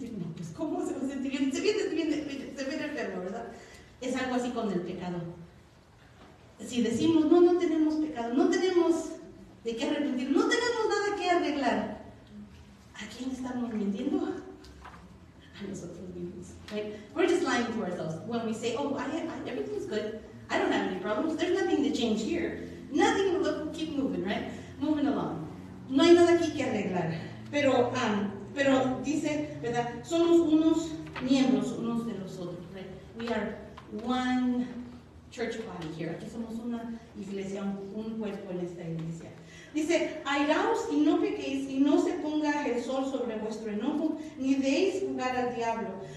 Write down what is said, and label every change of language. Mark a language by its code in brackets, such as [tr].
[es] No, pues ¿cómo se va a sentir bien? Se viene enfermo, ¿verdad? Es algo así con el pecado. Si decimos, no tenemos pecado, no tenemos de qué arrepentir, no tenemos nada que arreglar, ¿a quién estamos mintiendo? A nosotros mismos, right? [en] We're just lying to ourselves when we say, oh, everything's good, I don't have any problems, there's nothing to change here, nothing to look, keep moving, right? Moving along. [es] No hay nada aquí que arreglar, pero dice, ¿verdad? Somos unos miembros unos de los otros, right? [en] We are one church body here. [es] Aquí somos una iglesia, un cuerpo en esta iglesia. Dice, airaos y no pequéis, y no se ponga el sol sobre vuestro enojo, ni deis lugar al diablo.